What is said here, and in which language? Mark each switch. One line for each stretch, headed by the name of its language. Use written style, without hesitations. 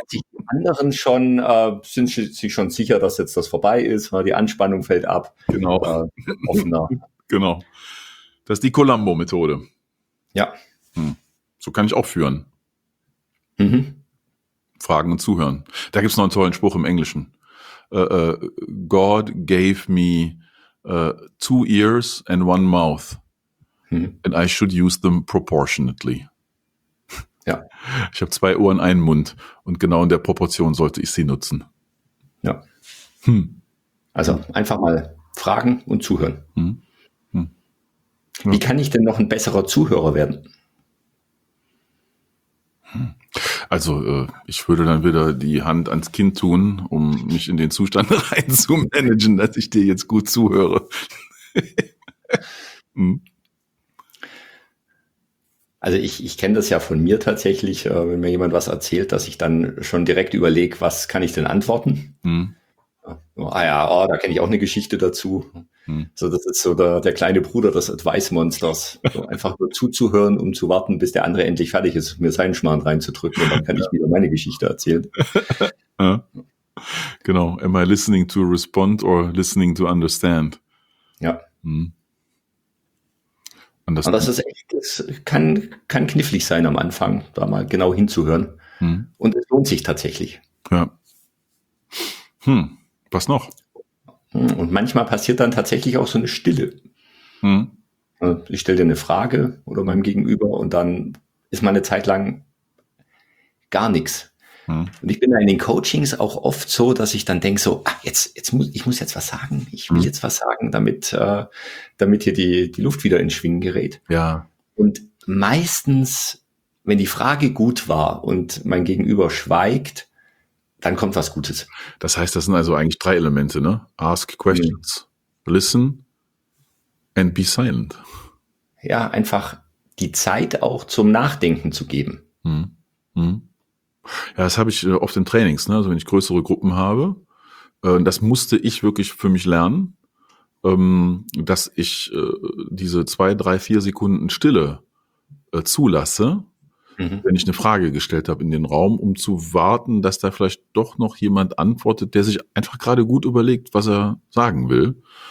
German: Die anderen schon, sind sich schon sicher, dass jetzt das vorbei ist, weil die Anspannung fällt ab. Genau. Offener. Genau. Das ist die Colombo-Methode. Ja. So kann ich auch führen. Fragen und zuhören. Da gibt es noch einen tollen Spruch im Englischen.
English: God gave me 2 ears and 1 mouth. And I should use them proportionately.
German: Ja. Ich habe 2 Ohren, 1 Mund. Und genau in der Proportion sollte ich sie nutzen. Ja. Also einfach mal fragen und zuhören. Wie kann ich denn noch ein besserer Zuhörer werden? Also ich würde dann wieder die Hand ans Kind tun, um mich in den Zustand reinzumanagen, dass ich dir jetzt gut zuhöre. Also ich kenne das ja von mir tatsächlich, wenn mir jemand was erzählt, dass ich dann schon direkt überlege, was kann ich denn antworten? Da kenne ich auch eine Geschichte dazu. So, das ist so der kleine Bruder des Advice-Monsters. So, einfach nur zuzuhören, um zu warten, bis der andere endlich fertig ist, mir seinen Schmarrn reinzudrücken und dann kann ich wieder meine Geschichte erzählen. Genau.
English: Am I listening to respond or listening to understand?
German: Ja. Und das ist echt, das kann knifflig sein am Anfang, da mal genau hinzuhören. Und es lohnt sich tatsächlich. Ja. Was noch? Und manchmal passiert dann tatsächlich auch so eine Stille. Ich stelle dir eine Frage oder meinem Gegenüber und dann ist meine Zeit lang gar nichts. Und ich bin da in den Coachings auch oft so, dass ich dann denke so, ich muss jetzt was sagen. Ich will jetzt was sagen, damit hier die Luft wieder ins Schwingen gerät. Ja. Und meistens, wenn die Frage gut war und mein Gegenüber schweigt, dann kommt was Gutes. Das heißt, das sind also eigentlich 3 Elemente, ne?
English: Ask questions, listen and be silent.
German: Ja, einfach die Zeit auch zum Nachdenken zu geben. Ja, das habe ich oft in Trainings, ne? Also wenn ich größere Gruppen habe, das musste ich wirklich für mich lernen, dass ich diese 2, 3, 4 Sekunden Stille zulasse, wenn ich eine Frage gestellt habe in den Raum, um zu warten, dass da vielleicht doch noch jemand antwortet, der sich einfach gerade gut überlegt, was er sagen will.